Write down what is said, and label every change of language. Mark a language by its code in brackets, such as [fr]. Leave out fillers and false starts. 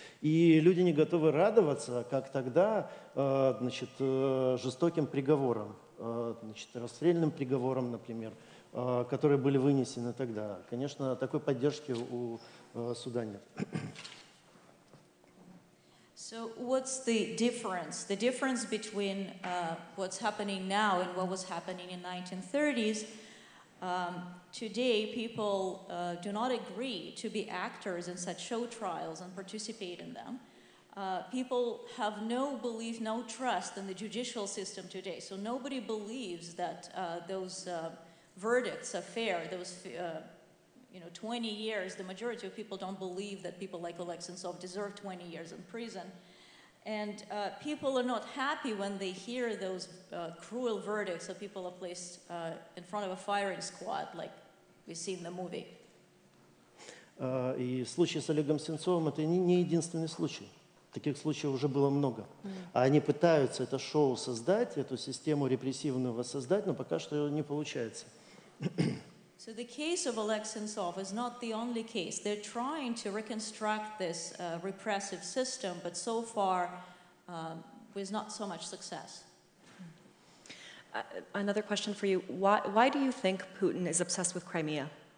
[ru] И люди не готовы радоваться, как тогда, значит, жестоким приговорам, значит, расстрельным приговорам, например, которые были вынесены тогда. Конечно, такой поддержки у суда нет. [en] So what's the difference? The difference between what's happening now and what was happening in 1930s, today people do not agree to be actors in such show trials and participate in them. People have no belief, no trust in the judicial system today. So nobody believes that those verdicts are fair. Those, you know, 20 years, the majority of people don't believe that people like Oleg Sentsov deserve 20 years in prison. And people are not happy when they hear those cruel verdicts of people are placed in front of a firing squad, like we see in the movie. [ru] И случай с Олегом Сенцовым – это не единственный случай. Таких случаев уже было много. А они пытаются это шоу создать, эту систему репрессивную воссоздать, но пока что не получается. [en] So the case of Oleg Sentsov is not the only case. They're trying to reconstruct this repressive system, but so far with not so much success. Another question for you. Why do you think Putin is obsessed with Crimea?